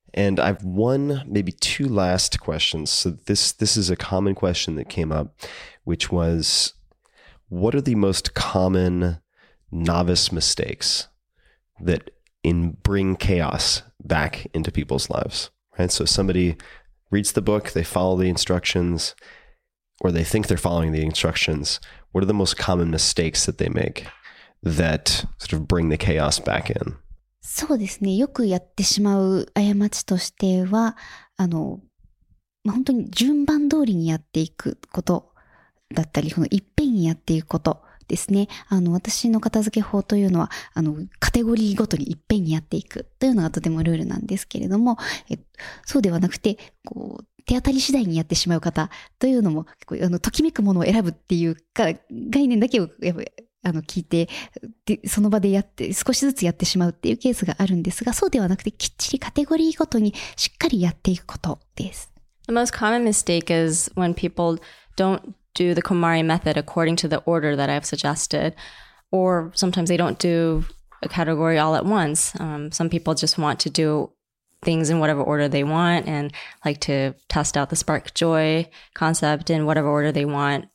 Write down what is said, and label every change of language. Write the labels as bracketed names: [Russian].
[English] And I have one, maybe two last questions. So this is a common question that came up, which was, what are the most common novice mistakes that bring chaos? Back into people's lives, right? So somebody reads the book, they follow the instructions, or they think they're following the instructions. What are the most common mistakes that they make that sort of bring the chaos back in? [Japanese] そうですね。よくやってしまう過ちとしては、あの、本当に順番通りにやっていくことだったり、このいっぺんにやっていくこと。ですね、あの私の片付け法というのはあのカテゴリーごとにいっぺんにやっていくというのがとてもルールなんですけれどもそうではなくてこう手当たり次第にやってしまう方というのもこうあのときめくものを選ぶっていうか概念だけをやっぱあの聞いてでその場でやって少しずつやってしまうっていうケースがあるんですがそうではなくてきっちりカテゴリーごとにしっかりやっていくことです。 [English] The most common mistake is when people don't do the Komari method according to the order that I've suggested. Or sometimes they don't do a category all at once. Some people just want to do things in whatever order they want and like to test out the spark joy concept in whatever order they want.